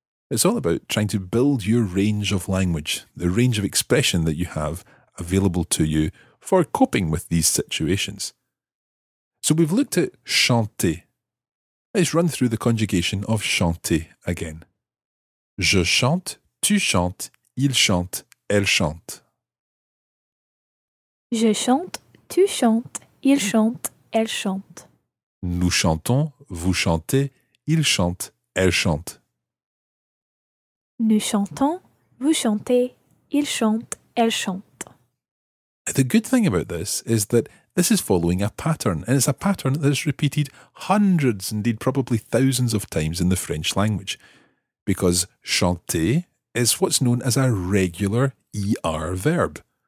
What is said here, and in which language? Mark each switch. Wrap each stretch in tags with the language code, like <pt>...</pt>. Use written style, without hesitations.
<en>It's all about trying to build your range of language, the range of expression that you have available to you for coping with these situations. So we've looked at chanter. Let's run through the conjugation of chanter again.</en> <fr>Je chante, tu chantes, il chante, elle chante. Je chante, tu chantes, il chante, elle chante. Nous chantons, vous chantez, il chante, elle chante. Nous chantons, vous chantez, il chante, elle chante.</fr> <en>The good thing about this is that this is following a pattern, and it's a pattern that is repeated hundreds, indeed probably thousands of times in the French language, because chanter is what's known as a regular ER verb.</en>